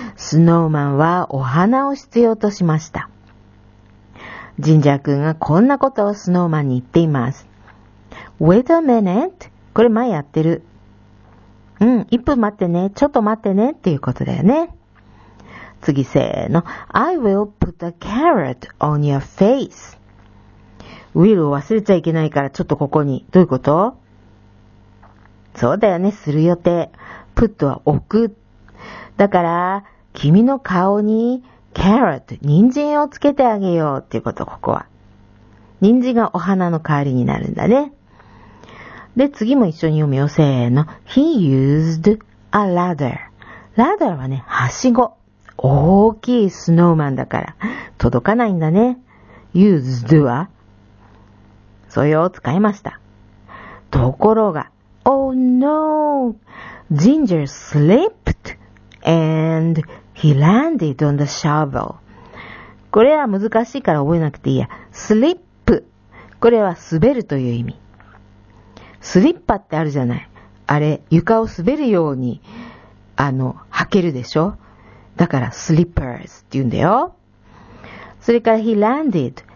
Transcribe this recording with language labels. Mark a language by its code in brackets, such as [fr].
[ja] スノーマンはお花を必要としました。ジンジャー君がこんなことをスノーマンに言っています。 [en] Wait a minute. [ja] これ前やってる。うん、1分待ってね。ちょっと待ってね。っていうことだよね。次、せーの。 [en] I will put a carrot on your face. [ja] ウィルを忘れちゃいけないからちょっとここに。どういうこと?そうだよね、する予定。 put は置く。だから、君の顔に、carrot、人参をつけてあげようっていうこと、ここは。人参がお花の代わりになるんだね。で、次も一緒に読むよ、せーの。 [en] he used a ladder. [ja] ladder はね、はしご。大きいスノーマンだから、届かないんだね。 used は?そうよ、使いました。ところが、 [en] oh no! Ginger slipped and he landed on the shovel. [ja] これは難しいから覚えなくていいや。 [en] slip. [ja] これは滑るという意味。スリッパってあるじゃない。あれ、床を滑るように、履けるでしょ? だから slippers って言うんだよ。それから [en] he landed.